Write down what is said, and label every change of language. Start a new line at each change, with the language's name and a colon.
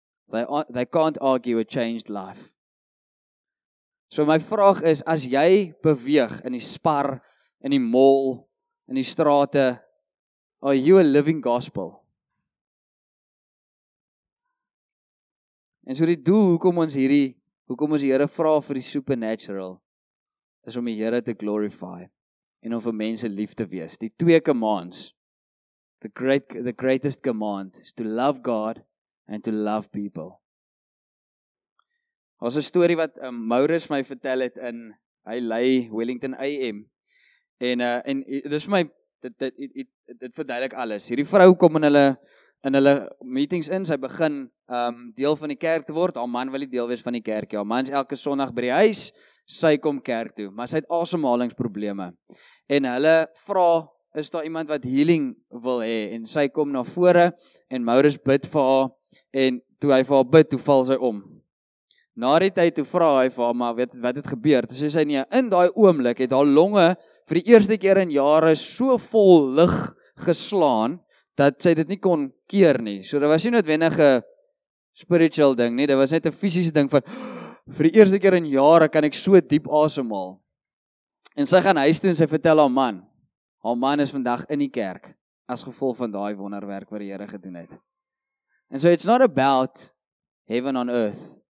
English: They can't argue a changed life.
Afrikaans: So my vraag is, as jy beweeg in die spar, in die mall, in die strate,
English: are you a living gospel?
Afrikaans: En so die doel, hoekom ons die Here vra vir die supernatural, is om die Here te glorify en om vir mense lief te wees.
English: Die 2 commands, the greatest command is to love God and to love people.
Afrikaans: Ons 'n storie wat Maurus my vertel het in hy lei Wellington AM. En dis vir my dit verduidelik alles. Hierdie vrou kom in hulle meetings in, sy begin deel van die kerk te word, haar man wil nie deel wees van die kerk, haar man is elke sonderdag by die huis, sy kom kerk toe, maar sy het asemhalingsprobleme, en hulle vra, is daar iemand wat healing wil hê, en sy kom na vore, en Maurus bid vir haar, en toe hy vir haar bid, toe val sy om. Na die tyd toe vra hy vir haar, maar weet wat het gebeur, toe sê sy nie, in daai oomblik het haar longe vir die eerste keer in jare so vol lig geslaan, dat sy dit nie kon keer nie. So dit was nie noodwendig 'n spiritual ding nie, dit was net 'n fisiese ding van, vir die eerste keer in jare kan ek so diep asemhaal. En sy gaan huis toe en sy vertel haar man is vandag in die kerk, as gevolg van daai wonderwerk wat die Here gedoen het.
English: And so it's not about heaven on earth.